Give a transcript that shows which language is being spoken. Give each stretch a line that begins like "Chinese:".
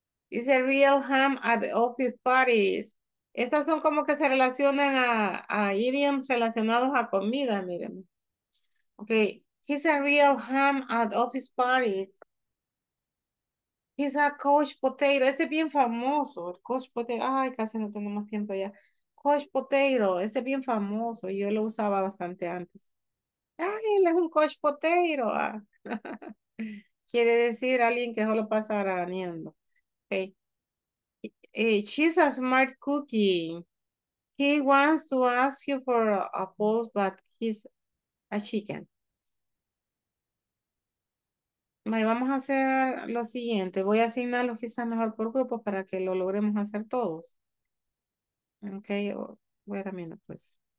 English: It's a real ham at the office parties.
Spanish: Estas son como que se relacionan a idioms relacionados a comida, miren.
English: Okay, he's a real ham at office parties. He's a couch potato.
Spanish: Ese es bien famoso, el
English: couch potato.
Spanish: Ay, casi no tenemos tiempo ya. Couch potato, ese es bien famoso. Yo lo usaba bastante antes. Ay, él es un couch potato. Ah. Quiere decir alguien que solo pasa araneando. Okay.
English: She's a smart cookie. He wants to ask you for a pulse, but he's a chicken.
Spanish: Bueno, vamos a hacer lo siguiente. Voy a asignar los quizás mejor por grupo para que lo logremos hacer todos.
English: Ok, wait a minute, pues.